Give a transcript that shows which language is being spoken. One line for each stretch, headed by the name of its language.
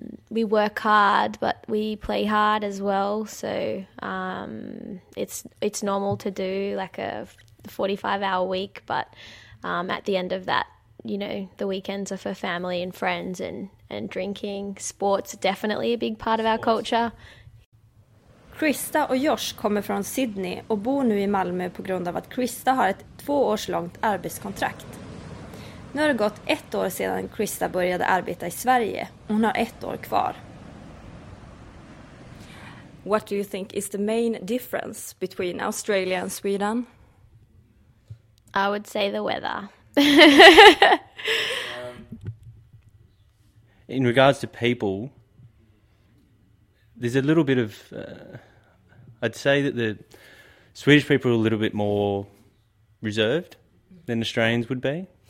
English: We work hard, but we play hard as well. So it's normal to do like a 45-hour week, but at the end of that, you know, the weekends are for family and friends and drinking. Sports are definitely a big part of our culture.
Swedish: Krista och Josh kommer från Sydney och bor nu i Malmö på grund av att Krista har ett 2-årslångt arbetskontrakt. Nu har det gått 1 år sedan Krista började arbeta i Sverige. Hon har 1 år kvar.
English: What do you think is the main difference between Australia and Sweden? I would say the weather. In regards to people, there's a little bit of, I'd say that the Swedish people are a little bit more reserved than Australians would be.